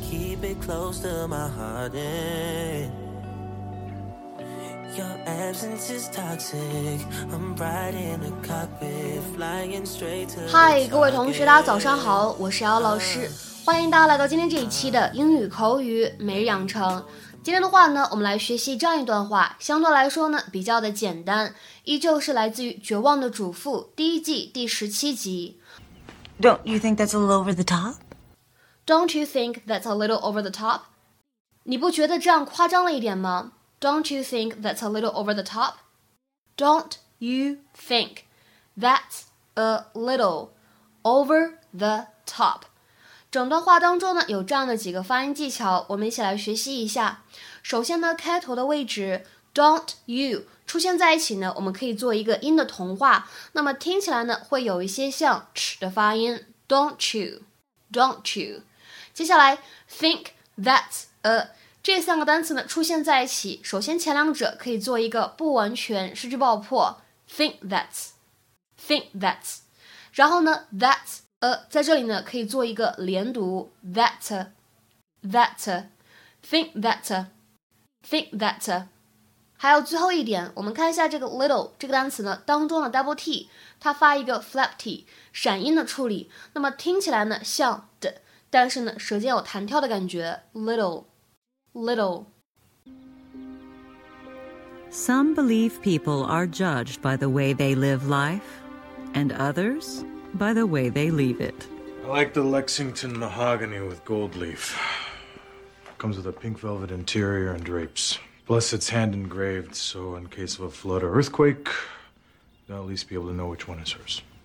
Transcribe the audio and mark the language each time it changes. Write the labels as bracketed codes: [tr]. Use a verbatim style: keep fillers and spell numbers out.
[en] Keep it close to my heart. And your absence is toxic. I'm right in the cockpit, flying straight to the target. [zh] 嗨，各位同学，大家早上好，我是姚老师，欢迎大家来到今天这一期的英语口语每日养成。今天的话呢，我们来学习这样一段话，相对来说呢比较的简单，依旧是来自于《绝望的主妇》第一季第十七集。 [en] Don't you think that's a little over the top? Don't you think that's a little over the top? [zh] 你不觉得这样夸张了一点吗？ [en] Don't you think that's a little over the top? Don't you think that's a little over the top? [zh] 整段话当中呢有这样的几个发音技巧，我们一起来学习一下。首先呢，开头的位置 don't you 出现在一起呢，我们可以做一个音的同化，那么听起来呢会有一些像 ch 的发音 [en] don't you don't you。 [zh] 接下来 [en] think that's a [zh] 这三个单词呢出现在一起，首先前两者可以做一个不完全失去爆破 [en] think that's think that's， [zh] 然后呢 that's呃，在这里呢可以做一个连读 [en] that that think that think that。 [zh] 还有最后一点，我们看一下这个 little 这个单词呢当中的 [en] double t， [zh] 它发一个 [en] flap t [zh] 闪音的处理，那么听起来呢像的，但是呢舌尖有弹跳的感觉 [en] little little。 Some believe people are judged by the way they live life, and others... by the way they leave it. I like the Lexington mahogany with gold leaf. It comes with a pink velvet interior and drapes. Plus it's hand engraved, so in case of a flood or earthquake, they'll at least be able to know which one is hers.